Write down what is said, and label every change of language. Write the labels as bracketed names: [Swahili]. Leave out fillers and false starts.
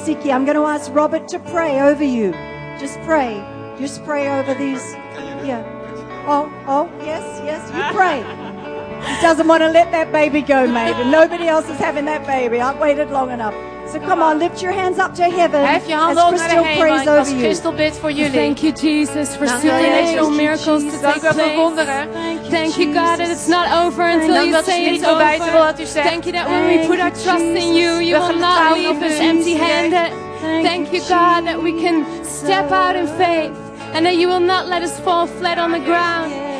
[English] I'm going to ask Robert to pray over you. Just pray. Just pray over these. Yeah. Oh, yes, yes. You pray. He doesn't want to let that baby go, mate. And nobody else is having that baby. I've waited long enough. So come on, lift your hands up to heaven. [Dutch] Hef je handen op naar de hemel als Crystal bid voor jullie. [English] Thank you, Jesus, for supernatural miracles to take place. [Dutch] Dank u wel, [English] thank you, God, that it's not over until you say it's over. Thank you that when we put our trust in you, you will not leave us empty-handed. Thank you, God, that we can step out in faith and that you will not let us fall flat on the ground.